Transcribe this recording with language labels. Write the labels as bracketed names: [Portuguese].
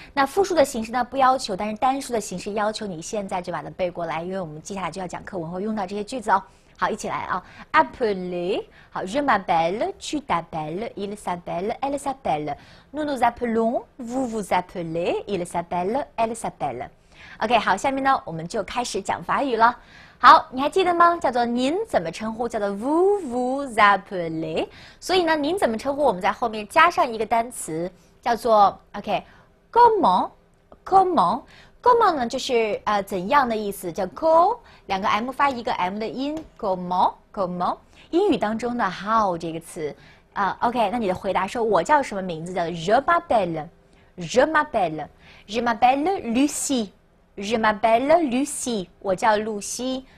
[Chinese] 那复数的形式呢不要求，但是单数的形式要求你现在就把它背过来，因为我们接下来就要讲课文，会用到这些句子哦。好，一起来啊 [French] ！Appeler， 好 ，Je m'appelle， tu t'appelles， il s'appelle， elle s'appelle， nous nous appelons， vous vous appelez， il s'appelle， elle s'appelle。 [Chinese] OK， 好，下面呢，我们就开始讲法语了。好，你还记得吗？叫做您怎么称呼？ [French] 叫做 vous vous appelez。 [Chinese] 所以呢，您怎么称呼？我们在后面加上一个单词，叫做 OK， comment， comment。 Comment 呢，就是怎样的意思，叫 co， 两个 m 发一个 m 的音 ，comment comment， 英语当中的 how 这个词，OK， 那你的回答说我叫什么名字，叫 je m'appelle， je m'appelle， [French] je m'appelle Lucie， [Chinese] je m'appelle Lucie， 我叫露西。